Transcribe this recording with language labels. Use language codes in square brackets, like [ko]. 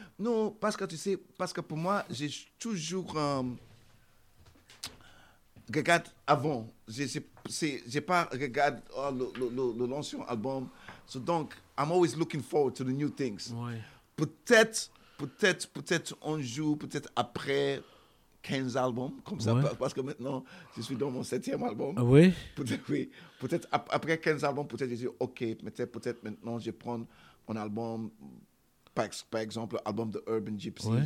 [fr] Non, parce que tu sais, parce que pour moi, j'ai toujours... regarde avant. J'ai pas regardé le l'ancien album. [en] So [fr] donc, [en] I'm always looking forward to the new things. [fr] Ouais. Peut-être un jour, peut-être après 15 albums, comme ça. Ouais. Parce que maintenant, je suis dans mon 7e album. Ah oui? Peut-être, oui. Peut-être après 15 albums, peut-être je dis, OK, peut-être maintenant, je vais prendre un album, par exemple, l'album de Urban Gypsy, ouais.